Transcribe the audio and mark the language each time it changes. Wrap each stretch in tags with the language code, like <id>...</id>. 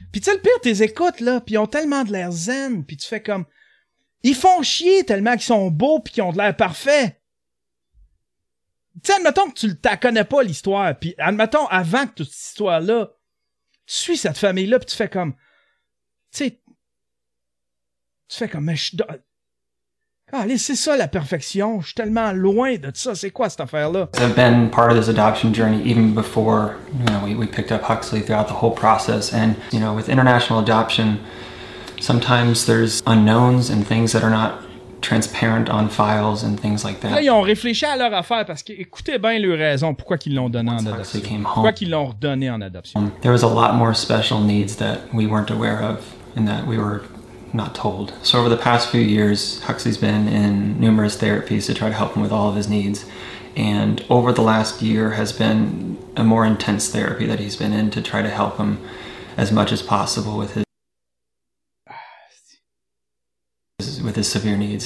<fr>Puis tu sais, le pire, tes écoutes là, puis ils ont tellement de l'air zen, puis tu fais comme, ils font chier tellement qu'ils sont beaux puis qu'ils ont de l'air parfait. Tu sais, admettons que tu la connais pas l'histoire, puis admettons avant que toute cette histoire là, tu suis cette famille là puis tu fais comme, tu sais, tu fais comme, mais je. Ah, allez, c'est ça la perfection. Je suis tellement loin de ça. C'est quoi cette affaire-là?</fr> <en>I've been part of this adoption journey even before, you know, we picked up Huxley throughout the whole process. And, you know, with international adoption, sometimes there's unknowns and things that are not transparent on files and things like that.</en> <fr>Là, ils ont réfléchi à leur affaire parce qu'écoutez bien leurs raisons pourquoi qu'ils l'ont donné en adoption. Pourquoi qu'ils l'ont redonné en adoption.</fr> <en>There was a lot more special needs that we weren't aware of and that we were not told. So over the past few years, Huxley's been in numerous therapies to try to help him with all of his needs. And over the last year has been a more intense therapy that he's been in to try to help him as much as possible with his severe needs.</en>